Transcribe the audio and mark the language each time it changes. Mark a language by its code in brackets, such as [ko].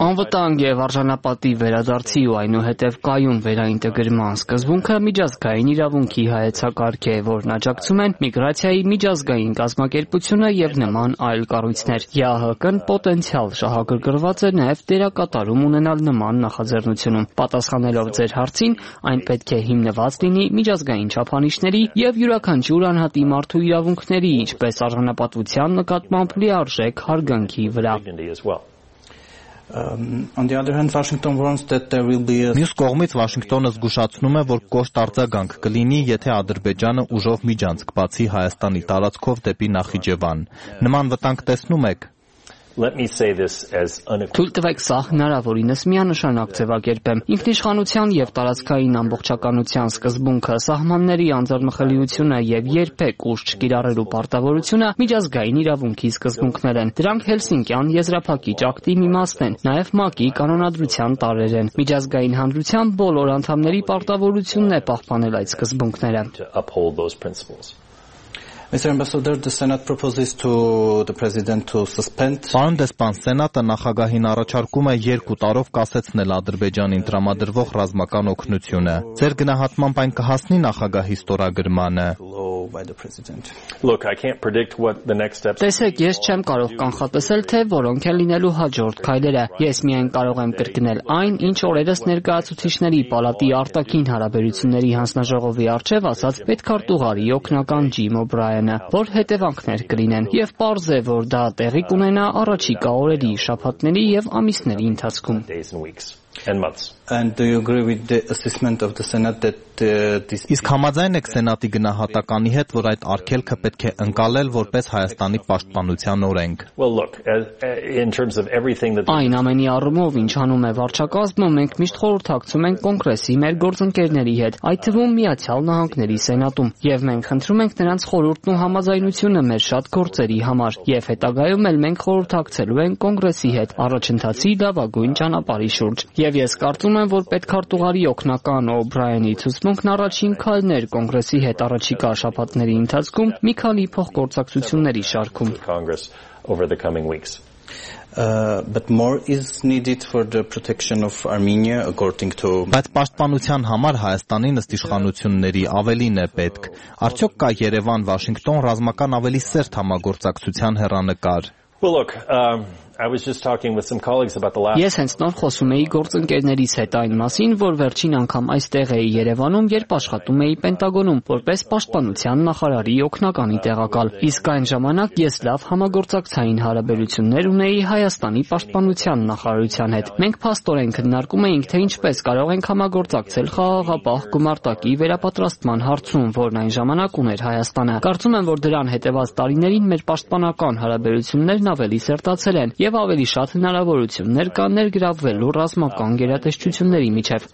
[hy] Անվտանգ եւ արժանապատիվ վերադարձի ու այնուհետև կայուն վերաինտեգրման սկզբունքը միջազգային իրավունքի հայեցակարգ է, որն աջակցում են միգրացիայի միջազգային կազմակերպությունը եւ նման այլ կառույցներ։ ԵԱՀԿ-ն պոտենցիալ շահագրգռված է նաեւ դերակատարում ունենալ նման նախաձեռնությունում։ Պատասխանելով ձեր հարցին, այն պետք է հիմնված լինի միջազգային չափանիշների եւ յուրաքանչյուր անհատի մարդու իրավունքների, ինչպես արժանապատվության նկատմամբ լիարժեք հարգանքի վրա։ [en] On the other hand, Washington warns that there will be [hy] a Մյուս կողմից Վաշինգտոնը զգուշացնում է, որ կոշտ արձագանք կլինի, եթե Ադրբեջանը ուժով միջանցք բացի Հայաստանի տարածքով դեպի Նախիջևան։ Նման վտանգ տեսնում եք։ [en] Let me say this as [hy] Թույլ տվեք սա հնարավորինս միանշանակ ձևակերպեմ։ Ինքնիշխանության եւ տարածքային ամբողջականության սկզբունքը, սահմանների անձեռնմխելիությունը եւ երբեք ուշ չկիրառելու պարտավորությունը միջազգային իրավունքի սկզբունքներ են։ Դրանք Հելսինկյան եզրափակիչ ակտի մի մասն են, նաեւ ՄԱԿ-ի կանոնադրության տարրեր են։ Միջազգային հանրության բոլոր անդամների պարտավորությունն է պահպանել այդ սկզբունքները։ [en] Mr. Ambassador, the Senate proposes to the President to suspend. [hy] Պարոն դեսպան, Սենատը նախագահին առաջարկում է 2 տարով կասեցնել Ադրբեջանին տրամադրվող ռազմական օգնությունը։ Ձեր գնահատմամբ այն կհասնի նախագահի ստորագրմանը։ [en] Look, I can't predict what the next steps are. [hy] Տեսեք, ես չեմ կարող կանխատեսել, թե որոնք են լինելու հաջորդ քայլերը։ Ես միայն կարող եմ կրկնել այն, ինչ օրերս ներկայացուցիչների պալատի արտաքին հարաբերությունների հանձնաժողովի առջև ասաց Պետ քարտուղարի օգնական Ջիմ Օբրայանը, որ հետևանքներ կլինեն եւ պարզ է որ դա տեղի կունենա առաջիկա օրերի, շաբաթների եւ ամիսների ընթացքում։ [en] And do you agree with the assessment of the Senate that this [hy] Իսկ համաձայն եք սենատի գնահատականի հետ, որ այդ արգելքը պետք է ընկալել որպես Հայաստանի պաշտպանության օրենք։ [en] Well look, in terms of everything that [hy] Այն ամենի առումով, ինչ անում է վարչակազմը, մենք միշտ խորհրդակցում ենք կոնգրեսի մեր գործընկերների հետ, այդ թվում Միացյալ Նահանգների սենատում, եւ մենք խնդրում ենք նրանց խորհուրդն ու համաձայնությունը մեր շատ գործերի համար, եւ հետագայում էլ մենք խորհրդակցելու ենք կոնգրեսի հետ առաջընթացի լավագույն ճանապարհի շուրջ։ Եվ ես կարծում եմ, որ պետք քարտուղարի օգնական Օբրայանի ցուցմունքն առաջին քայլներ կոնգրեսի հետ առաջիկա շաբաթների ընթացքում մի քանի փող գործակցությունների շարքում։ [en] But more is needed for the protection of Armenia according to [hy] Բայց պաշտպանության համար Հայաստանի ըստ իշխանությունների ավելին է պետք։ Արդյոք կա Երևան-Վաշինգտոն ռազմական ավելի սերտ համագործակցության հեռանկար։ [en] Well look, I was just talking with some colleagues about the last Yes, [hy] հենց նոր խոսում էի գործընկերներից հետ այն մասին, որ վերջին անգամ այստեղ էի Երևանում, երբ աշխատում էի Պենտագոնում որպես պաշտպանության նախարարի օգնականի տեղակալ։ Իսկ այն ժամանակ ես լավ համագործակցային հարաբերություններ ունեի Հայաստանի պաշտպանության նախարարության հետ։ Մենք փաստորեն քննարկում էինք, թե ինչպես կարող ենք համագործակցել խաղաղապահ գումարտակի վերապատրաստման հարցում, որն այն ժամանակ ուներ Հայաստանը։ Կարծում եմ, որ դրան հետևած տարիներին մեր պաշտպանական հարաբերություններն ավելի սերտացել են և ավելի շատ հնարավորություններ կան ներգրավվելու ռազմական գերատեսչությունների միջև,